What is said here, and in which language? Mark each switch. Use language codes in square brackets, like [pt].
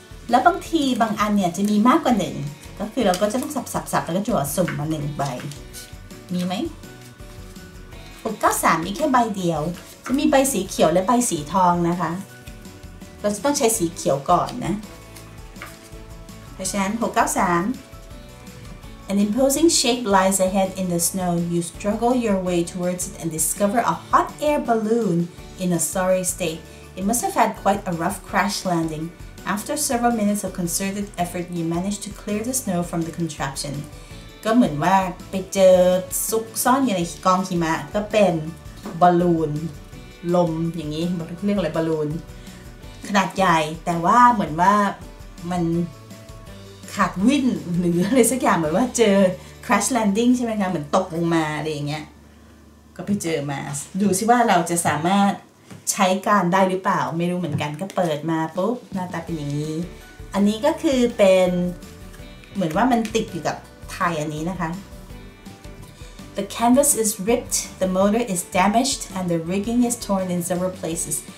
[th] แล้วบางทีบางอันเนี่ยจะมีมากกว่า1ก็คือเราก็จะต้องสับแล้วก็จั่วสุ่มมา1ใบมีไหม693มีแค่ใบเดียวจะมีใบสีเขียวและใบสีทองนะคะเราจะต้องใช้สีเขียวก่อนนะฉัน693 [en] An imposing shape lies ahead in the snow. You struggle your way towards it and discover a hot air balloon in a sorry state. It must have had quite a rough crash landing. After several minutes of concerted effort, you managed to clear the snow from the contraption. [th] ก็เหมือนว่าไปเจอซุกซ่อนอยู่ในกองหิมะก็เป็นบอลลูนลมอย่างนี้เรียกอะไรบอลลูนขนาดใหญ่แต่ว่าเหมือนว่ามัน ขาดวิ่นหรืออะไรสักอย่างเหมือนว่าเจอ crash landing ใช่ไหมคะเหมือนตกลงมาอะไรอย่างเงี้ยก็ไปเจอมาดูซิว่าเราจะสามารถใช้การได้หรือเปล่าไม่รู้เหมือนกันก็เปิดมาปุ๊บหน้าตาเป็นอย่างนี้อันนี้ก็คือเป็นเหมือนว่ามันติดอยู่กับไทยอันนี้นะคะ [en] The canvas is ripped, the motor is damaged, and the rigging is torn in several places.